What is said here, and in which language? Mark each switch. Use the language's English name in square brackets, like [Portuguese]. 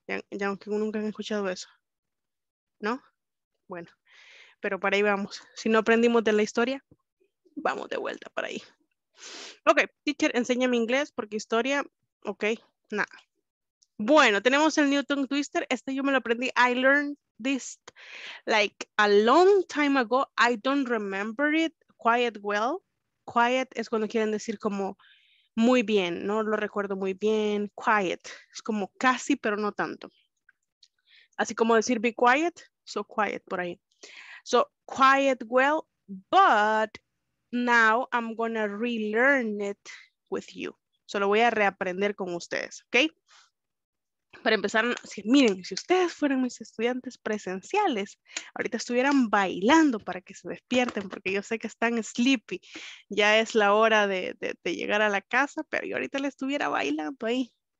[Spanish] Ya aunque nunca han escuchado eso. ¿No? Bueno, pero para ahí vamos. Si no aprendimos de la historia, vamos de vuelta para ahí. Ok, teacher, enséñame inglés porque historia, ok, nada. Bueno, tenemos el Newton Twister. Este yo me lo aprendí. [English] I learned this like a long time ago. I don't remember it quite well. [Spanish] Quiet es cuando quieren decir como muy bien, no lo recuerdo muy bien. Quiet es como casi, pero no tanto. Así como decir [English] be quiet, so quiet [Spanish] por ahí. [English] So quiet well, but now I'm gonna relearn it with you. [Spanish] So lo voy a reaprender con ustedes, ¿ok? Para empezar, miren, si ustedes fueran mis estudiantes presenciales, ahorita estuvieran bailando para que se despierten, porque yo sé que están sleepy. Ya es la hora de llegar a la casa, pero yo ahorita les estuviera bailando ahí.